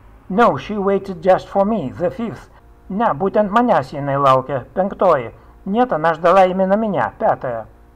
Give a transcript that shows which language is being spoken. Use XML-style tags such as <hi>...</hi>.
<en>No, she waited just for me, the fifth.</en> <lt>Ne, būtent manęs jinai laukė, penktoji.</lt> <ru>Нет, она ждала именно меня, пятая.</ru>